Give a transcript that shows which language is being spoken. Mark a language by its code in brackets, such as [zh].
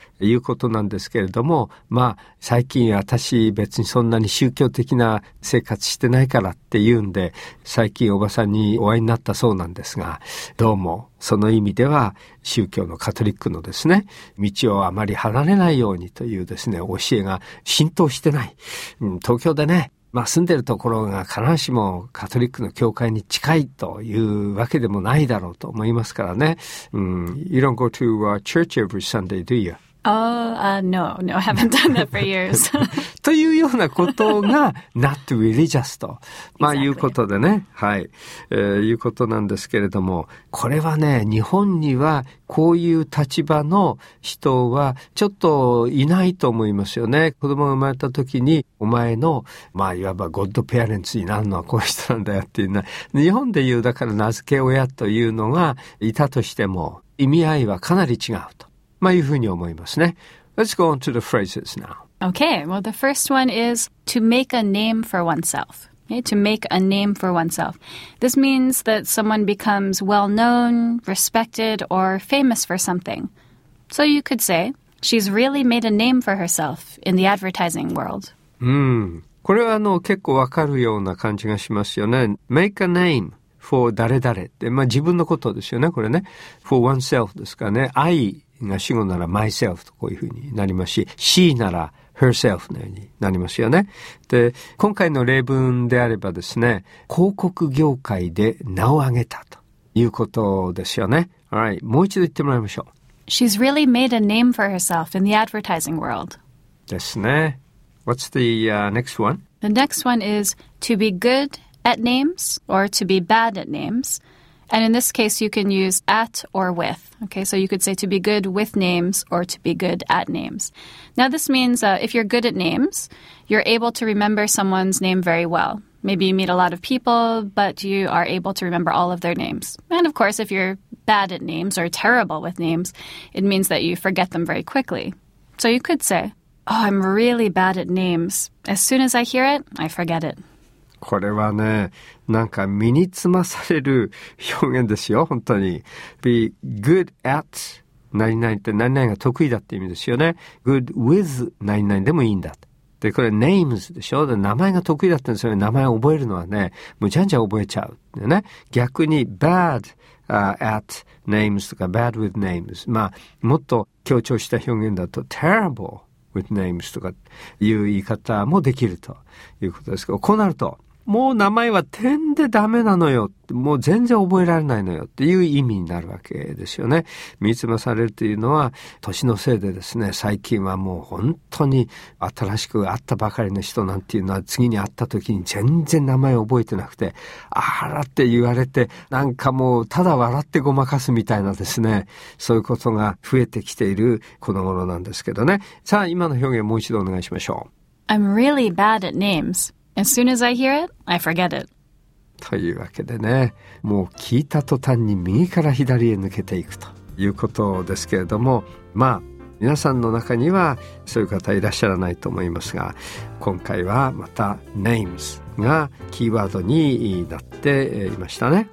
[ja] いうことなんですけれども、まあ最近私別にそんなに宗教的な生活してないからっていうんで、最近おばさんにお会いになったそうなんですが、どうもその意味では宗教のカトリックのですね、道をあまり離れないようにというですね、教えが浸透してない、東京でね、まあ住んでるところが必ずしもカトリックの教会に近いというわけでもないだろうと思いますからね。 [en] You don't go to church every Sunday, do you? No, I haven't done that for years. [ja] というようなことが [en] not religious [ja] と、まあ、 [en] exactly. [ja] いうことでね、はい、いうことなんですけれども、これはね、日本にはこういう立場の人はちょっといないと思いますよね。子供が生まれた時にお前の、まあいわばゴッドペアレンツになるのはこういう人なんだよっていうのは、日本で言うだから名付け親というのがいたとしても意味合いはかなり違うと、まあいうふうに思いますね。 [en] Let's go on to the phrases now. Okay, well the first one is to make a name for oneself. Okay, to make a name for oneself. This means that someone becomes well known, respected, or famous for something. So you could say, she's really made a name for herself in the advertising world. [ja] これは結構わかるような感じがしますよね。 [en] Make a name. [ja] for 誰々って、まあ、自分のことですよね、これね。for oneself ですかね。 I が主語なら myself とこういうふうになりますし、she なら herself のようになりますよね。で、今回の例文であればですね、広告業界で名を上げたということですよね。 Alright, もう一度言ってもらいましょう。 [en] She's really made a name for herself in the advertising world. [ja] ですね。 [en] What's the next one? The next one is to be good. At names or to be bad at names. And in this case, you can use at or with. Okay, so you could say to be good with names or to be good at names. Now, this means if you're good at names, you're able to remember someone's name very well. Maybe you meet a lot of people, but you are able to remember all of their names. And of course, if you're bad at names or terrible with names, it means that you forget them very quickly. So you could say, oh, I'm really bad at names. As soon as I hear it, I forget it. [ja] これはね、なんか身につまされる表現ですよ、本当に。 be good at 何々って何々が得意だって意味ですよね。 good with 何々でもいいんだ。で、これ names でしょ。で、名前が得意だったんですよね。名前を覚えるのはね、むちゃんじゃ覚えちゃう。ね、逆に [en] bad、at names とか bad with names。 [ja] まあ、もっと強調した表現だと terrible。 with names とかいう言い方もできるということですけど、こうなるともう名前は点でダメなのよ、もう全然覚えられないのよっていう意味になるわけですよね。見つまされるというのは年のせいでですね、最近はもう本当に新しく会ったばかりの人なんていうのは次に会った時に全然名前覚えてなくて、あらって言われてなんかもうただ笑ってごまかすみたいなですね、そういうことが増えてきているこの頃なんですけどね。さあ今の表現もう一度お願いしましょう。 [en] I'm really bad at namesAs soon as I hear it, I forget it. [ja] というわけでね、もう聞いた途端に右から左へ抜けていくということですけれども、まあ皆さんの中にはそういう方いらっしゃらないと思いますが、今回はまた names がキーワードになっていましたね。